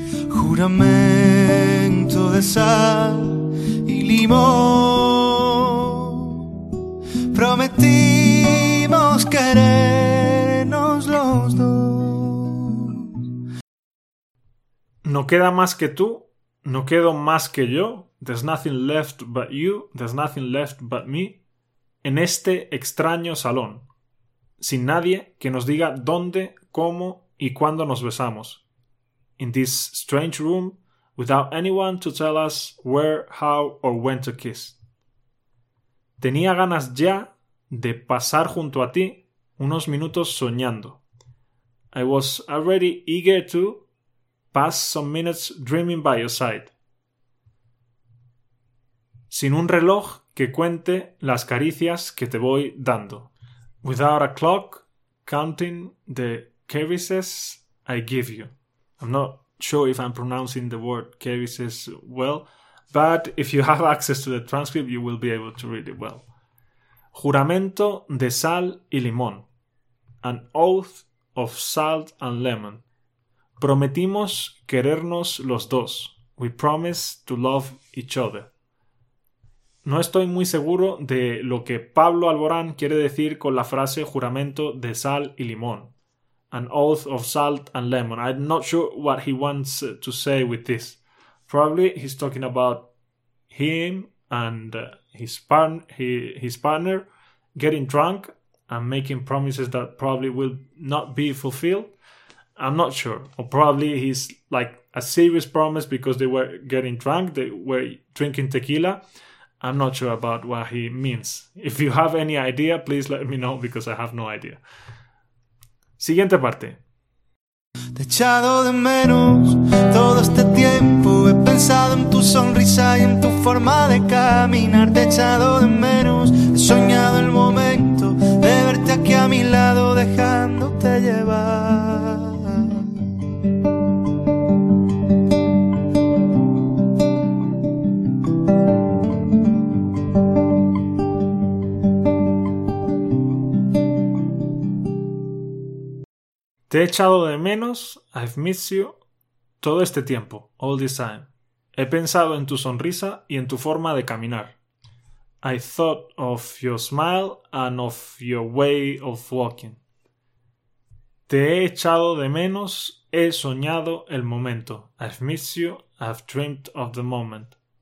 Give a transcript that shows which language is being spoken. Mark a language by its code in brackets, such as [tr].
[es] Juramento de sal y limón, prometimos querernos los dos. No queda más que tú, no quedo más que yo. [en] There's nothing left but you, there's nothing left but me. [es] En este extraño salón, sin nadie que nos diga dónde, cómo y cuándo nos besamos. [en] In this strange room, without anyone to tell us where, how or when to kiss. [es] Tenía ganas ya de pasar junto a ti unos minutos soñando. [en] I was already eager to pass some minutes dreaming by your side. [es] Sin un reloj que cuente las caricias que te voy dando. [en] Without a clock counting the caresses I give you. I'm not sure if I'm pronouncing the word caresses well, but if you have access to the transcript, you will be able to read it well. [es] Juramento de sal y limón. [en] An oath of salt and lemon. [es] Prometimos querernos los dos. [en] We promise to love each other. [es] No estoy muy seguro de lo que Pablo Alborán quiere decir con la frase juramento de sal y limón. [en] An oath of salt and lemon. I'm not sure what he wants to say with this. Probably he's talking about him and his partner getting drunk and making promises that probably will not be fulfilled. I'm not sure. Or probably he's like a serious promise because they were getting drunk. They were drinking tequila. I'm not sure about what he means. If you have any idea, please let me know because I have no idea. [es] Siguiente parte. Te he echado de menos todo este tiempo. He pensado en tu sonrisa y en tu forma de caminar. Te he echado de menos. He soñado el momento de verte aquí a mi lado dejándote llevar. Te he echado de menos, [en] I've missed you, [es] todo este tiempo, [en] all this time. [es] He pensado en tu sonrisa y en tu forma de caminar. [en] I thought of your smile and of your way of walking. [es] Te he echado de menos, he soñado el momento. [en] I've missed you, I've dreamt of the moment.